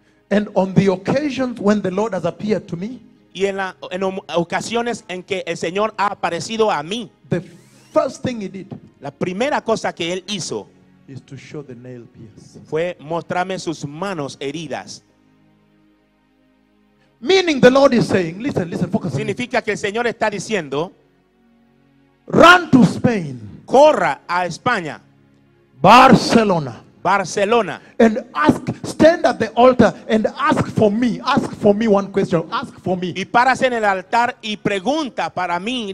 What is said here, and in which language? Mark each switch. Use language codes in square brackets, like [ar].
[en] And on the occasions when the Lord has appeared to me, [es] y en ocasiones en que el Señor ha aparecido a mí, [en] the first thing he did, [es] la primera cosa que él hizo, [en] is to show the nail pierce, [es] fue mostrarme sus manos heridas. [en] Meaning the Lord is saying, listen, focus. [es] Significa [en] on [es] que el Señor está diciendo, [en] run to Spain, [es] corra a España, Barcelona. Barcelona. [en] And ask, stand at the altar and ask for me. Ask for me one question. Ask for me. [es] Y párase en el altar y pregunta para mí.